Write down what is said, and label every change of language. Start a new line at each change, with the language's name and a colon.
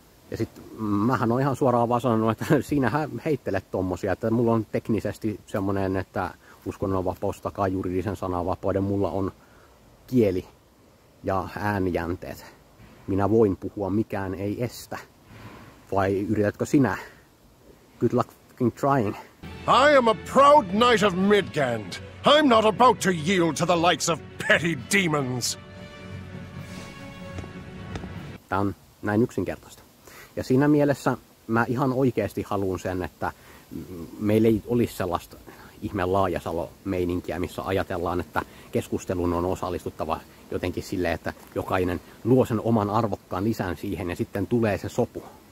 Finnish: Ja sit mähän on ihan suoraan vaan sanonut, että sinähän heittelet tommosia, että mulla on teknisesti semmonen, että uskonnonvapaus takaa juridisen sananvapauden, mulla on kieli ja äänijänteet. Minä voin puhua, mikään ei estä. Vai yritätkö sinä?
English: Good luck fucking trying. I am a proud knight of Midgand. I'm not about to yield to the likes of petty demons.
Finnish: Tämä on näin yksinkertaista. Ja siinä mielessä mä ihan oikeasti haluan sen, että meillä ei olisi sellaista ihme laajasalo-meininkiä, missä ajatellaan, että keskustelun on osallistuttava jotenkin silleen, että jokainen luo sen oman arvokkaan lisän siihen ja sitten tulee se sopu.